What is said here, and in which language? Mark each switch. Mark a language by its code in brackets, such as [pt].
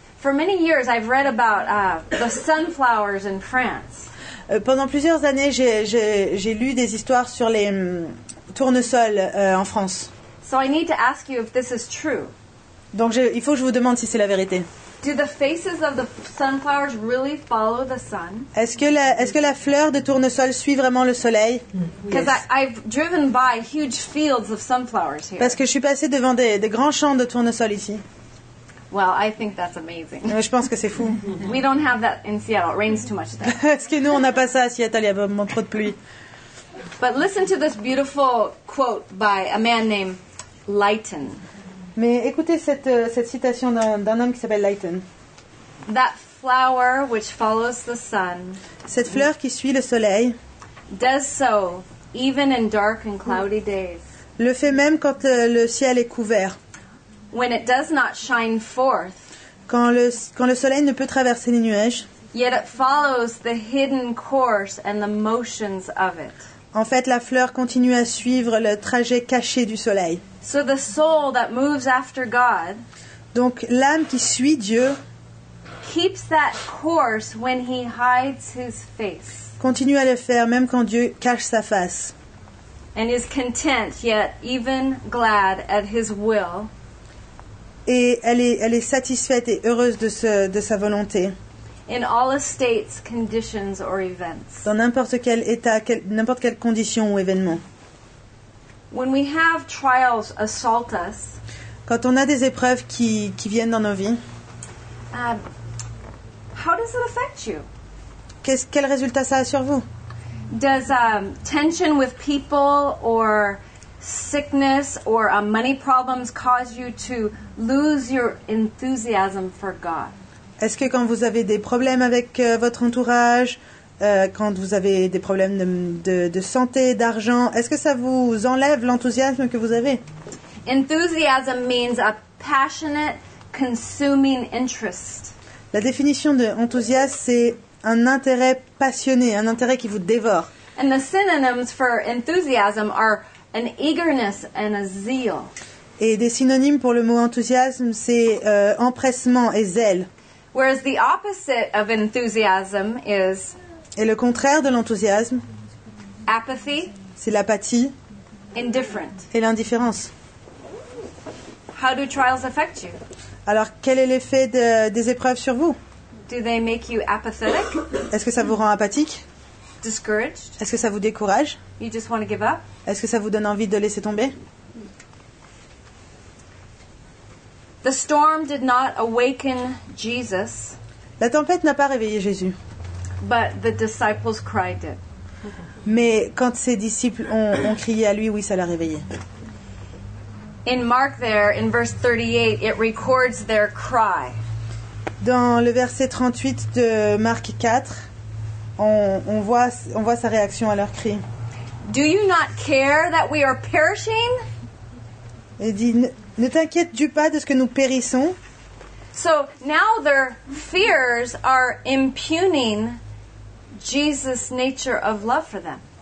[en] For many years, I've read about the sunflowers in France. [fr] Pendant plusieurs années, j'ai lu des histoires sur les tournesols en France. [en] So I need to ask you if this is true. [fr] Donc il faut que je vous demande si c'est la vérité. [en] Do the faces of the sunflowers really follow the sun? [fr] Est-ce que la fleur de tournesol suit vraiment le soleil? [en] Because I've driven by huge fields of sunflowers here. [fr] Parce que je suis passée devant des grands champs de tournesol ici. [en] Well, I think that's amazing. [fr] Je pense que c'est fou. [en] We don't have that in Seattle. It rains too much there. [fr] Parce que nous on n'a pas ça à Seattle. Il y a vraiment trop de pluie. [en] But listen to this beautiful quote by a man named Lytton. [fr] Mais écoutez cette citation d'un homme qui s'appelle Lytton. [en] That flower which follows the sun. [fr] Cette fleur qui suit le soleil. [en] Does so even in dark and cloudy days. [fr] Le fait même quand le ciel est couvert. [en] When it does not shine forth. [fr] Quand le soleil ne peut traverser les nuages. [en] Yet it follows the hidden course and the motions of it. [fr] En fait, la fleur continue à suivre le trajet caché du soleil. [en] So the soul that moves after God. [fr] Donc l'âme qui suit Dieu [en] keeps that course when he hides his face. [fr] Continue à le faire même quand Dieu cache sa face. [en] And is content yet even glad at his will. [fr] Et elle est satisfaite et heureuse de sa volonté. [en] In all estates, conditions or events. [fr] Dans n'importe quel état, n'importe quelle condition ou événement. [en] When we have trials assault us. [fr] Quand on a des épreuves qui viennent dans nos vies. [en] How does it affect you? [fr] Quel résultat ça a sur vous? [en] Does tension with people or sickness or money problems cause you to lose your enthusiasm for God? [fr] Est-ce que quand vous avez des problèmes avec votre entourage, quand vous avez des problèmes de santé, d'argent, est-ce que ça vous enlève l'enthousiasme que vous avez? [en] Enthusiasm means a passionate, consuming interest. [fr] La définition de enthousiasme, c'est un intérêt passionné, un intérêt qui vous dévore. [en] And the synonyms for enthusiasm are an eagerness and a zeal. [fr] Et des synonymes pour le mot enthousiasme, c'est empressement et zèle. [en] Whereas the opposite of enthusiasm is. [fr] Et le contraire de l'enthousiasme. [en] Apathy. [fr] C'est l'apathie. Indifférent. Et l'indifférence. [en] How do trials affect you? [fr] Alors, quel est l'effet des épreuves sur vous? [en] Do they make you apathetic? [fr] Est-ce que ça vous rend apathique? [en] Discouraged? [fr] Est-ce que ça vous décourage? [en] You just want to give up? [fr] Est-ce que ça vous donne envie de laisser tomber? [en] The storm did not awaken Jesus. [fr] La tempête n'a pas réveillé Jésus. [en] But the disciples cried it. [fr] Mais quand ses disciples ont crié à lui, oui, ça l'a réveillé. [en] In Mark there, in verse 38, it records their cry. [fr] Dans le verset 38 de Marc 4, on voit sa réaction à leur cri. [en] Do you not care that we are perishing? [fr] Il dit, ne t'inquiètes-tu pas de ce que nous périssons? [en] So now their fears are impugning Jesus' nature of love for them.